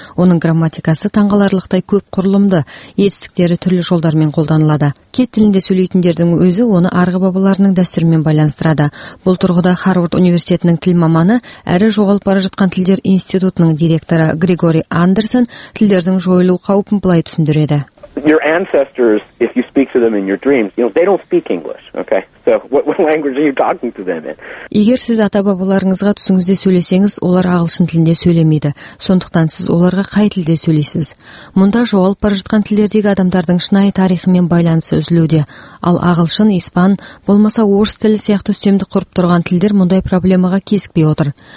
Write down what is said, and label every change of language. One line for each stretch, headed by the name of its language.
Kazakh: Оның грамматикасы таңғаларлықтай көп құрылымды, етістіктері түрлі жолдармен қолданылады. Кет тілінде сөйлейтіндердің өзі оны арғы бабаларының дәстүрімен байланыстырады. Бұл тұрғыда Харвард университетінің тіл маманы, әрі жоғалып бара жатқан тілдер институтының директоры Григорий Андерсон тілдердің жойылу қаупін былай түсіндіреді.
English: Your ancestors, if you speak to them in your dreams, you know, they don't speak English, okay? So what language are you talking to them in?
Kazakh: Егер сіз ата-бабаларыңызға түсіңізде сөйлесеңіз, олар ағылшын тілінде сөйлемейді. Сондықтан сіз оларға қай тілде сөйлейсіз? Мұнда жоғалып бара жатқан тілдердегі адамдардың шынайы тарихымен байланысы үзілуде. Ал ағылшын, испан, болмаса орыс тілі сияқты үстемдік құрып тұрған тілдер мұндай проблемаға кезікпей отыр.